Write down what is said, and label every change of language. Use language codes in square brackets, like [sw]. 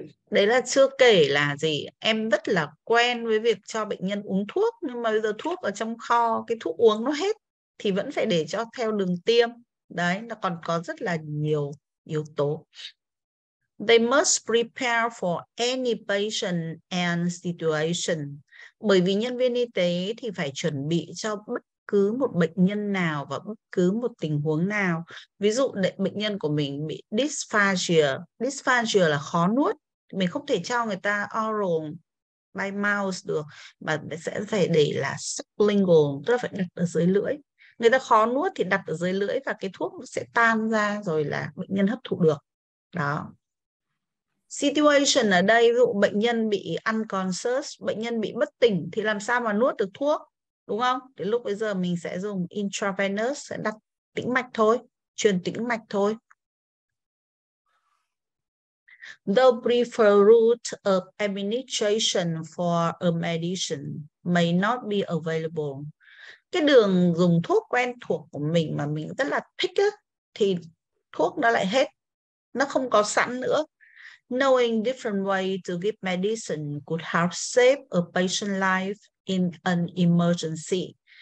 [vi] Đấy là chưa kể là gì, em rất là quen với việc cho bệnh nhân uống thuốc, nhưng mà bây giờ thuốc ở trong kho, cái thuốc uống nó hết thì vẫn phải để cho theo đường tiêm. Đấy, nó còn có rất là nhiều yếu tố. [en] They must prepare for any patient and situation. [vi] Bởi vì nhân viên y tế thì phải chuẩn bị cho bất cứ một bệnh nhân nào và bất cứ một tình huống nào. Ví dụ để bệnh nhân của mình bị dysphagia. Dysphagia là khó nuốt. Mình không thể cho người ta [en] oral by mouth [vi] được, mà sẽ phải để là sublingual, tức là phải đặt ở dưới lưỡi. Người ta khó nuốt thì đặt ở dưới lưỡi và cái thuốc sẽ tan ra rồi là bệnh nhân hấp thụ được. Đó. Situation ở đây, ví dụ bệnh nhân bị unconscious, bệnh nhân bị bất tỉnh thì làm sao mà nuốt được thuốc, đúng không? Đến lúc bây giờ mình sẽ dùng intravenous, sẽ đặt tĩnh mạch thôi, truyền tĩnh mạch thôi. [en] The preferred route of administration for a medicine may not be available. [vi] Cái đường dùng thuốc quen thuộc của mình mà mình rất là thích á, thì thuốc nó lại hết, nó không có sẵn nữa. [en] Knowing different ways to give medicine could help save a patient's life in an emergency.